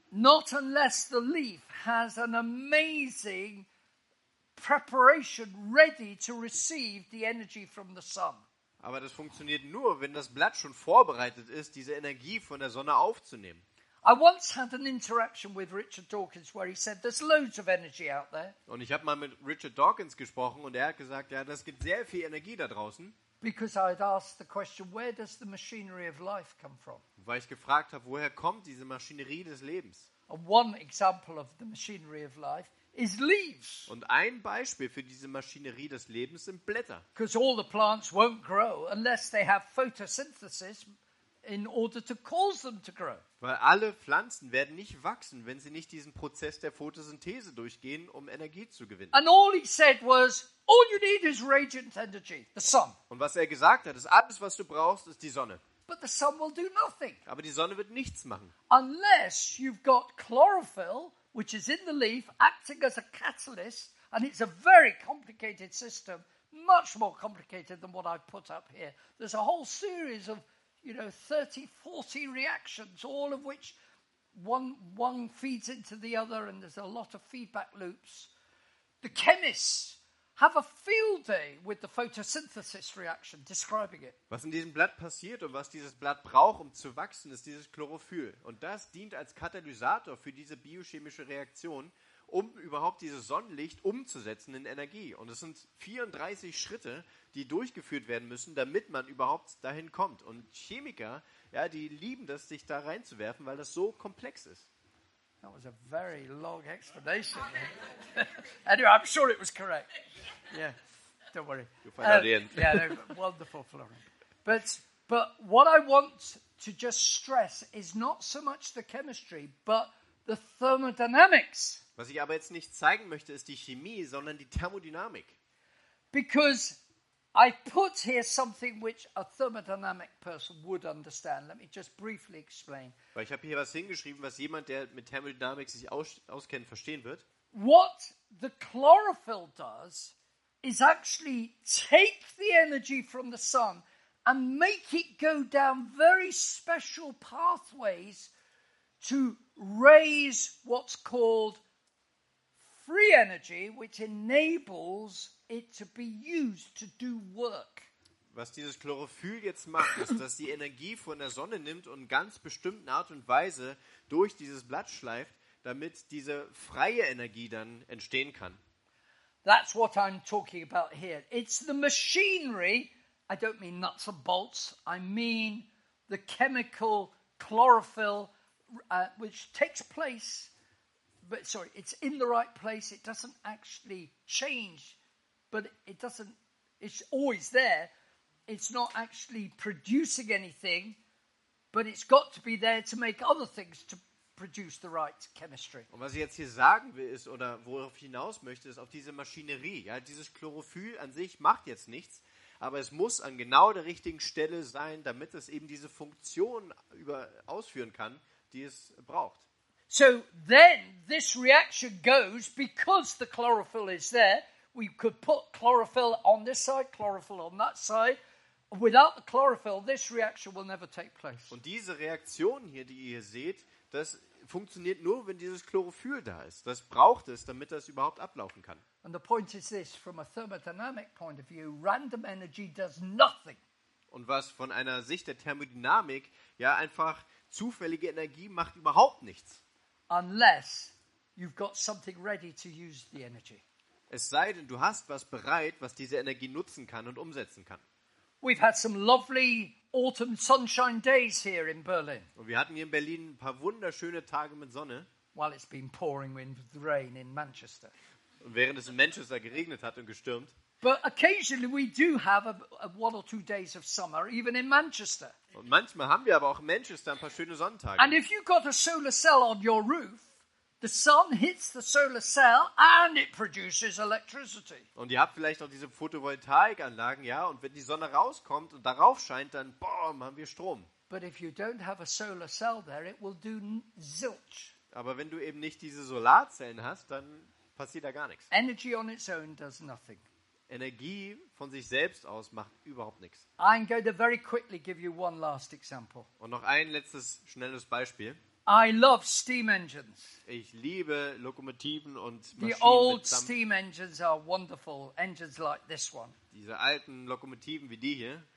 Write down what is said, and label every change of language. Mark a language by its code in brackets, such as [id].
[en] Not unless the leaf has an amazing preparation ready to receive the energy from the sun. [de] Aber das funktioniert nur, wenn das Blatt schon vorbereitet ist, diese Energie von der Sonne aufzunehmen. [en] I once had an interaction with Richard Dawkins where he said there's loads of energy out there. [de] Und ich habe mal mit Richard Dawkins gesprochen und hat gesagt, ja, das gibt sehr viel Energie da draußen. [en] Because I had asked the question, where does the machinery of life come from? [de] Weil ich gefragt habe, woher kommt diese Maschinerie des Lebens? [en] And one example of the machinery of life is leaves. [de] Und ein Beispiel für diese Maschinerie des Lebens sind Blätter. [en] Because all the plants won't grow unless they have photosynthesis in order to cause them to grow. [de] Weil alle Pflanzen werden nicht wachsen, wenn sie nicht diesen Prozess der Photosynthese durchgehen, um Energie zu gewinnen. [en] And all he said was, all you need is radiant energy, the sun. [de] Und was er gesagt hat, ist, alles was du brauchst, ist die Sonne. [en] But the sun will do nothing. [de] Aber die Sonne wird nichts machen. [en] Unless you've got chlorophyll, which is in the leaf, acting as a catalyst, and it's a very complicated system, much more complicated than what I've put up here. There's a whole series of, you know, 30, 40 reactions, all of which one feeds into the other, and there's a lot of feedback loops. The chemists have a field day with the photosynthesis reaction, describing it. [de] Was in diesem Blatt passiert und was dieses Blatt braucht, um zu wachsen, ist dieses Chlorophyll. Und das dient als Katalysator für diese biochemische Reaktion, um überhaupt dieses Sonnenlicht umzusetzen in Energie. Und es sind 34 Schritte, die durchgeführt werden müssen, damit man überhaupt dahin kommt. Und Chemiker, ja, die lieben das, sich da reinzuwerfen, weil das so komplex ist. [en] That was a very long explanation. Anyway, I'm sure it was correct. Yeah, don't worry. You'll find out the end. Yeah, wonderful, Florian. But what I want to just stress is not so much the chemistry, but the thermodynamics. [de] Was ich aber jetzt nicht zeigen möchte, ist die Chemie, sondern die Thermodynamik. [en] Because I put here something which a thermodynamic person would understand. Let me just briefly explain. [de] Weil ich habe hier was hingeschrieben, was jemand, der mit Thermodynamik sich auskennt, verstehen wird. [en] What the chlorophyll does is actually take the energy from the sun and make it go down very special pathways to raise what's called free energy, which enables it to be used to do work. [de] Was dieses Chlorophyll jetzt macht, ist, dass die Energie von der Sonne nimmt und ganz bestimmten Art und Weise durch dieses Blatt schleift, damit diese freie Energie dann entstehen kann. [en] That's what I'm talking about here. It's the machinery. I don't mean nuts and bolts. I mean the chemical chlorophyll which takes place, but sorry, it's in the right place. It doesn't actually change, but it doesn't, it's always there. It's not actually producing anything, but it's got to be there to make other things to produce the right chemistry. [de] Und was ich jetzt hier sagen will, ist, oder worauf ich hinaus möchte, ist auf diese Maschinerie. Ja, dieses Chlorophyll an sich macht jetzt nichts, aber es muss an genau der richtigen Stelle sein, damit es eben diese Funktion ausführen kann, die es braucht. [en] So then this reaction goes because the chlorophyll is there. We could put chlorophyll on this side, chlorophyll on that side. Without the chlorophyll, this reaction will never take place. [de] Und diese Reaktion hier, die ihr hier seht, das funktioniert nur, wenn dieses Chlorophyll da ist. Das braucht es, damit das überhaupt ablaufen kann. [en] And the point is this, from a thermodynamic point of view, random energy does nothing. [de] Und was von einer Sicht der Thermodynamik, ja einfach zufällige Energie macht überhaupt nichts. [en] Unless you've got something ready to use the energy. [de] Es sei denn, du hast was bereit, was diese Energie nutzen kann und umsetzen kann. [en] We've had some lovely autumn sunshine days here in Berlin. [de] Und wir hatten hier in Berlin ein paar wunderschöne Tage mit Sonne. [en] While it's been pouring with rain in Manchester. [de] Und während es in Manchester geregnet hat und gestürmt. [en] But occasionally we do have one or two days of summer, even in Manchester. [de] Und manchmal haben wir aber auch in Manchester ein paar schöne Sonntage. [en] And if you've got a solar cell on your roof, the sun hits the solar cell and it produces electricity. [de] Und ihr habt vielleicht auch diese Photovoltaikanlagen, ja, und wenn die Sonne rauskommt und darauf scheint, dann boom, haben wir Strom. [en] But if you don't have a solar cell there, it will do zilch. [de] Aber wenn du eben nicht diese Solarzellen hast, dann passiert da gar nichts. [en] Energy on its own does nothing. [de] Energie von sich selbst aus macht überhaupt nichts. [en] I'm going to very quickly give you one last example. [de] Und noch ein letztes schnelles Beispiel. [en] I love steam engines. [de] Ich liebe Lokomotiven und Maschinen. [en] The old steam engines are wonderful. Engines like this one. [de] Diese alten Lokomotiven wie die hier.